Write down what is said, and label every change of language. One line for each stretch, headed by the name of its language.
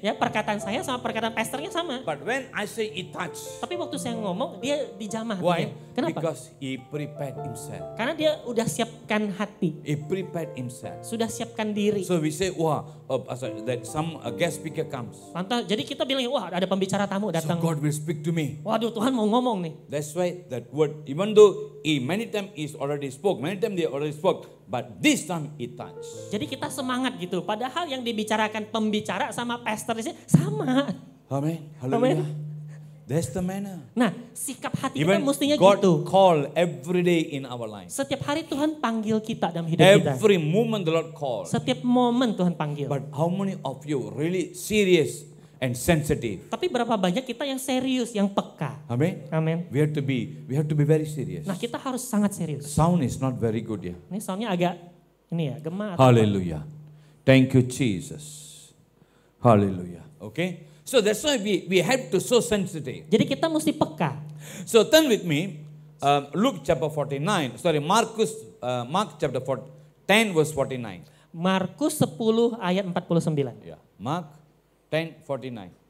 Indonesian: Ya, perkataan saya sama perkataan pastornya sama.
English: But when I say it touch.
Indonesian: Tapi waktu saya ngomong, dia dijamah.
English: Why?
Indonesian: Kenapa?
English: Because he prepared himself.
Indonesian: Karena dia udah siapkan hati.
English: He prepared himself.
Indonesian: Sudah siapkan diri.
English: So we say, wah, that some guest speaker comes.
Indonesian: Lantas, jadi kita bilang, wah, ada pembicara tamu datang.
English: So God will speak to me.
Indonesian: Waduh, Tuhan mau ngomong nih.
English: That's why that word, even though he many times is already spoke, many times they already spoke, but this time it touch.
Indonesian: Jadi kita semangat gitu. Padahal yang dibicarakan pembicara sama pastor di sini sama.
English: Amen. Hallelujah. That's the manner.
Indonesian: Nah, sikap hati
English: even
Indonesian: kita mestinya
English: God
Indonesian: gitu.
English: God call every day in our life.
Indonesian: Setiap hari Tuhan panggil kita dalam hidup
English: every
Indonesian: kita.
English: Every moment the Lord call.
Indonesian: Setiap momen Tuhan panggil.
English: But how many of you really serious and sensitive?
Indonesian: Tapi berapa banyak kita yang serius, yang peka? Amen. Amen.
English: We have to be very serious.
Indonesian: Nah, kita harus sangat serius.
English: Sound is not very good ya.
Indonesian: Ini soundnya agak ini ya, gemar.
English: Hallelujah. Thank you Jesus. Hallelujah. Okay. So that's why we have to so sensitive.
Indonesian: Jadi kita mesti peka.
English: So turn with me, Luke chapter 49. Sorry, Mark chapter 10 verse 49.
Indonesian: Markus 10 ayat 49.
English: Ya. Yeah. Mark 10:49.